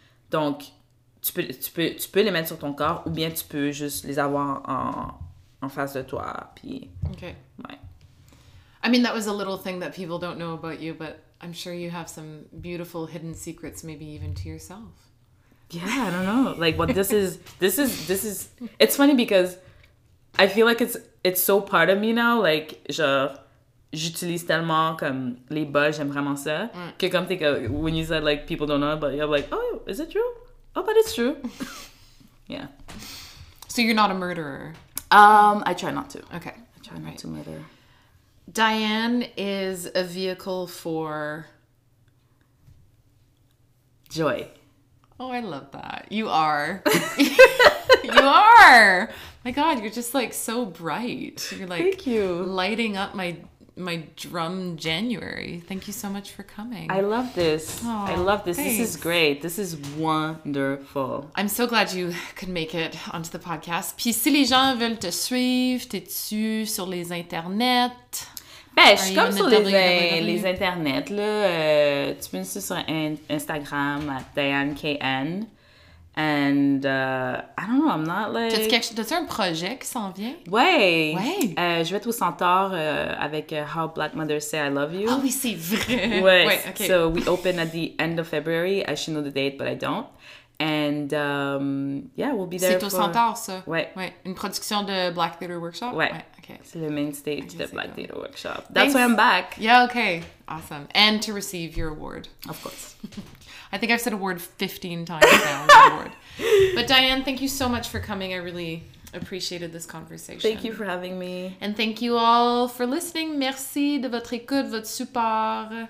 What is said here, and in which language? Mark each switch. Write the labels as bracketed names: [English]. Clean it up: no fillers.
[French] donc, tu peux les mettre sur ton corps, ou bien tu peux juste les avoir en face de toi, puis... OK. Ouais. [English] I mean, that was a little thing that people don't know about you, but I'm sure you have some beautiful hidden secrets, maybe even to yourself. Yeah, I don't know. Like, what this is, it's funny because I feel like it's so part of me now. [French] Like, genre, j'utilise tellement comme les bols, j'aime vraiment ça. Que comme t'es que, [English] when you said, like, people don't know about you, I'm like, oh, is it true? Oh, but it's true. Yeah. So you're not a murderer? I try not to. Okay. I try not to murder. Diane is a vehicle for joy. Oh, I love that. You are. You are. My God, you're just like so bright. You're like, thank you. Lighting up my drum January. Thank you so much for coming. I love this. Aww, I love this. Thanks. This is great. This is wonderful. I'm so glad you could make it onto the podcast. [French] Puis si les gens veulent te suivre, t'es-tu sur les internets? Ben, je suis comme sur les internets, là. Tu peux me suivre sur Instagram, @DianeKN. [English] And I don't know, I'm not like... [French] T'as-tu un projet qui s'en vient? Ouais. Ouais. Je vais être au Centaure avec How Black Mothers Say I Love You. Ah oui, c'est vrai. Ouais. Ouais, okay. [English] So we open at the end of February. I should know the date, but I don't. And yeah, we'll be there. [French] C'est au Centaure, ça? Ouais. Ouais. Une production de Black Theater Workshop? Ouais. Ouais. Okay. C'est le main stage de Black Theater Workshop. [English] That's why I'm back. Yeah, okay. Awesome. And to receive your award. Of course. I think I've said award 15 times now. Award. But Diane, thank you so much for coming. I really appreciated this conversation. Thank you for having me. And thank you all for listening. [French] Merci de votre écoute, votre support.